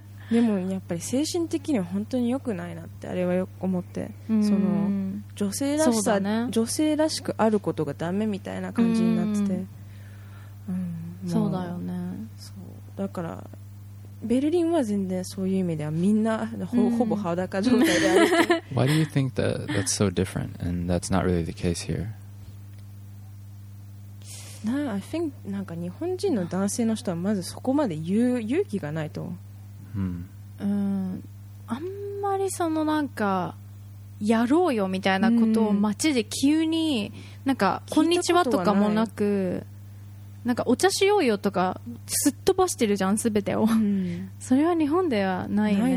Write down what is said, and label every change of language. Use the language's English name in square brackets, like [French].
[Japanese] でもやっぱり精神的には本当に良くないなってあれはよく思って、その女性らしさ、ね、女性らしくあることがダメみたいな感じになってて、そうだよね、そうだからベルリンは全然そういう意味ではみんな ほぼ裸状態である。 [English] Why do you think that that's so different and that's not really the case here? I think [Japanese] なんか日本人の男性の人はまずそこまで勇気がないと、あんまりそのなんかやろうよみたいなことを街で急になんかこんにちはとかもなく、なんかお茶しようよとかすっ飛ばしてるじゃん全てを、それは日本ではないね、